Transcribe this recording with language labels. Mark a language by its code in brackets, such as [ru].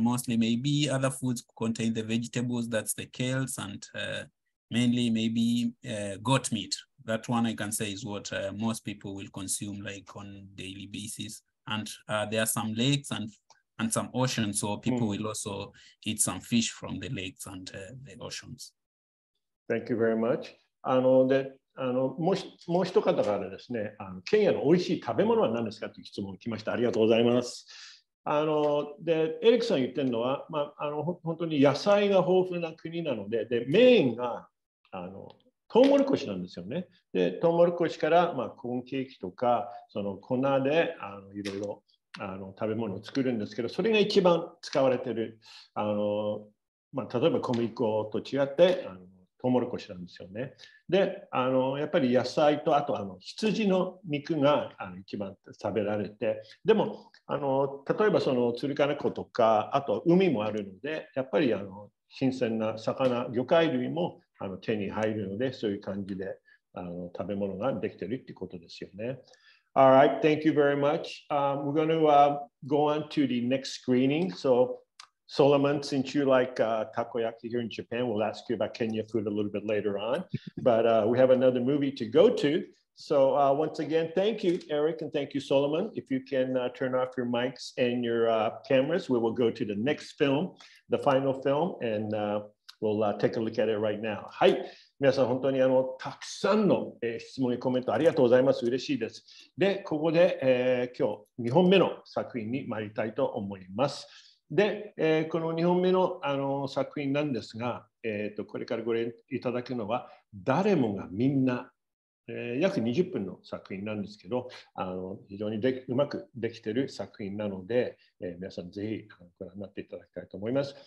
[en] Mostly maybe other foods contain the vegetables, that's the kales, and mainly maybe goat meat. That one I can say is what most people will consume like on daily basis. And there are some lakes and some oceans, so people will also eat some fish from the lakes and the oceans. Thank you very much. [ja] もう一方からですね、ケニアの美味しい食べ物は何ですかという質問が来ました。ありがとうございます。でエリックさん言ってるのは、まあ、本当に野菜が豊富な国なので、でメインがトウモロコシなんですよね。でトウモロコシから、まあ、コーンケーキとかその粉でいろいろ食べ物を作るんですけど、それが一番使われてる、まあ、例えば小麦粉と違ってトウモロコシなんですよね。でやっぱり野菜とあと羊の肉が一番食べられて、でも例えばそのトゥルカナ湖とかあと海もあるので、やっぱり新鮮な魚魚介類も手に入るので、そういう感じで食べ物ができてるってことですよね。 [en] All right, thank you very much. We're going to go on to the next screening. So, Solomon, since you like takoyaki here in Japan, we'll ask you about Kenya food a little bit later on. But we have another movie to go to. So once again, thank you, Eric, and thank you, Solomon. If you can turn off your mics and your cameras, we will go to the next film, the final film, and we'll take a look at it right now. [ja] はい。皆さん本当にたくさんの質問やコメントありがとうございます。嬉しいです。で、ここで、今日2本目の作品に参りたいと思います。で、この2本目の作品なんですが、これからご覧いただくのは、誰もがみんな、約20分の作品なんですけど、非常にうまくできている作品なので、皆さんぜひご覧になっていただきたいと思います。